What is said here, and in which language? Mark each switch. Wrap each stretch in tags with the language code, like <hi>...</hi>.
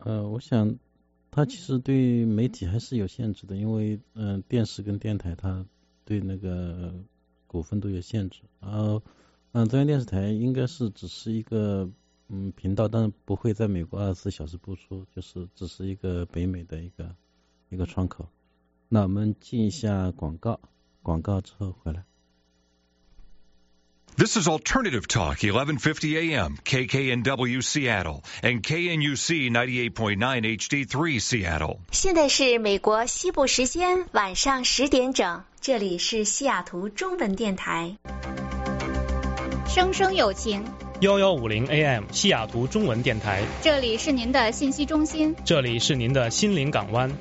<zh>我想他其实对媒体还是有限制的，因为电视跟电台他对那个股份都有限制，然后中央电视台应该是只是一个频道，但不会在美国24小时播出，就是只是一个北美的一个窗口。那我们进一下广告，广告之后回来。</zh> <en>This is Alternative Talk, 1150 AM, KKNW Seattle, and KNUC 98.9 HD3 Seattle.</en> <zh>现在是美国西部时间晚上十点整，这里是西雅图中文电台。声声有情。 1150 AM 西雅图中文电台，这里是您的信息中心，这里是您的心灵港湾，</zh>